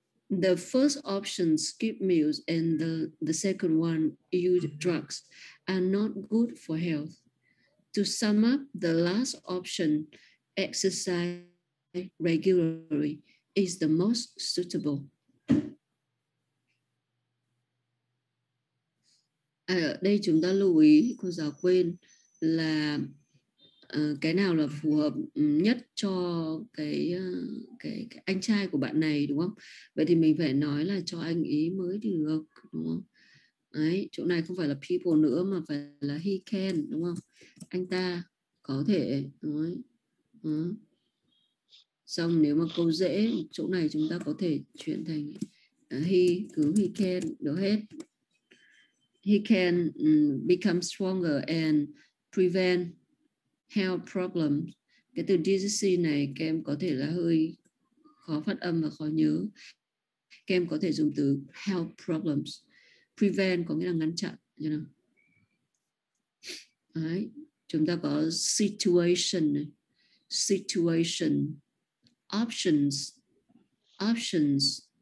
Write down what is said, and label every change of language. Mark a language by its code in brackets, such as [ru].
[en] The first option, skip meals, and the second one, use drugs, are not good for health. To sum up, the last option, exercise regularly, is the most suitable. [vi] À, ở đây chúng ta lưu ý, cô giáo quên là cái nào là phù hợp nhất cho cái anh trai của bạn này, đúng không? Vậy thì mình phải nói là cho anh ý mới được, đúng không? Đấy, chỗ này không phải là people nữa mà phải là [en] he can, [vi] đúng không? Anh ta có thể, đúng không? Xong nếu mà câu dễ, chỗ này chúng ta có thể chuyển thành he, cứ [en] he can, [vi] được hết. [en] He can become stronger and prevent health problems. [vi] Cái từ disease này các em có thể là hơi khó phát âm và khó nhớ. Các em có thể dùng từ health problems. Prevent có nghĩa là ngăn chặn. [en] You know? [vi] Đấy. Chúng ta có situation. Situation. Options. Options.